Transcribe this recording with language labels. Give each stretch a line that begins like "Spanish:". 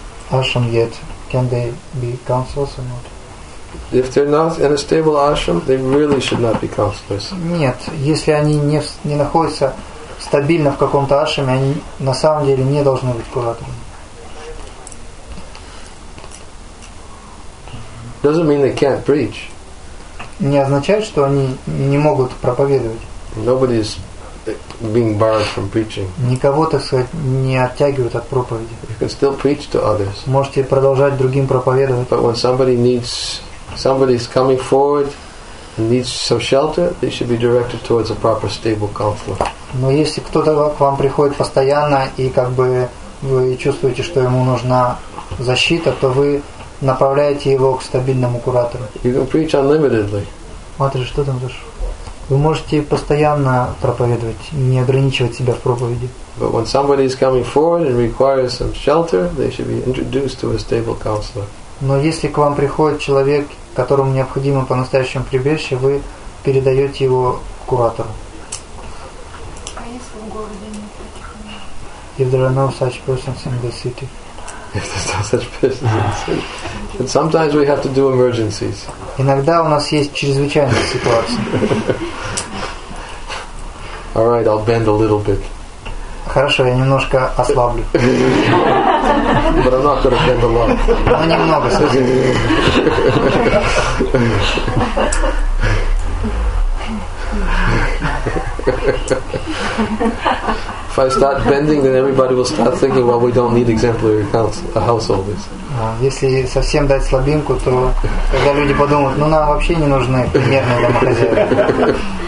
English: If they did not find their ashram yet, can they be counselors or not? If they're not in a stable ashram, they really should not be counselors.
Russian: Нет, если они не находятся стабильно в каком-то ашраме, они на самом деле не должны быть кураторами.
English: Doesn't mean they can't preach.
Russian: Не означает, что они не могут проповедовать.
English: Nobody is being barred from preaching.
Russian: Никого, так сказать, не оттягивают от проповеди.
English: You can still preach to others.
Russian: Можете продолжать другим проповедовать.
English: But when somebody is coming forward and needs some shelter, they should be directed towards a proper stable counselor.
Russian: Но если кто-то к вам приходит постоянно и как бы вы чувствуете, что ему нужна защита, то вы направляете его к стабильному куратору.
English: You can preach unlimitedly.
Russian: Матри, что там за шум? Вы можете постоянно проповедовать, не ограничивать себя в проповеди.
English: But when somebody is coming forward and requires some shelter, they should be introduced to a stable counselor.
Russian: Но если к вам приходит человек, которому необходимо по-настоящему прибежище, вы передаете его куратору. А если в городе нет таких мест?
English: If there are no such persons in the city. If there's no such persons in the city. And sometimes we have to do emergencies.
Russian: Иногда у нас есть чрезвычайные ситуации.
English: All right, I'll bend a little bit.
Russian: Хорошо, я немножко ослаблю.
English: But I'm not going to bend a lot.
Russian: Ну, немного, скажи.
English: If I start bending, then everybody will start thinking, well, we don't need exemplary householders.
Russian: Если совсем дать слабинку, то когда люди подумают, ну, нам вообще не нужны примерные домохозяйки.